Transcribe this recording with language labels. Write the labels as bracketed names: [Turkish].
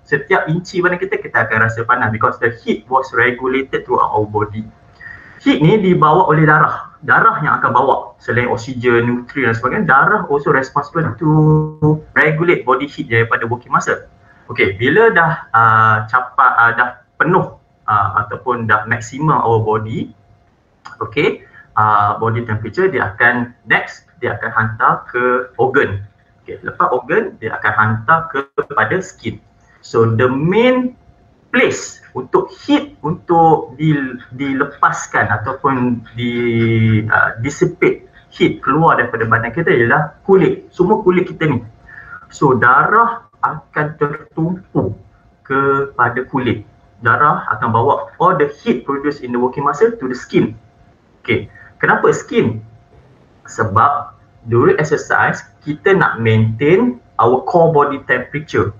[Malay] Setiap inci badan kita akan rasa panas [English] because the heat was regulated throughout our body. [Malay] Heat ni dibawa oleh darah. Darah yang akan bawa selain oksigen, nutrien dan sebagainya, darah [English] also responsible to regulate body heat [Malay] daripada working muscle. Okay, bila dah dah penuh ataupun dah maximum our body, okay, body temperature, dia akan next, dia akan hantar ke organ. Okay, lepas organ, dia akan hantar kepada skin. [English] So the main place [Malay] untuk heat untuk dilepaskan ataupun [English] dissipate heat [Malay] keluar daripada badan kita ialah kulit. Semua kulit kita ni. So darah akan tertumpu kepada kulit. Darah akan bawa [English] all the heat produced in the working muscle to the skin. Okay. [Malay] Kenapa skin? [English] Sebab during exercise, [Malay] kita nak [English] maintain our core body temperature.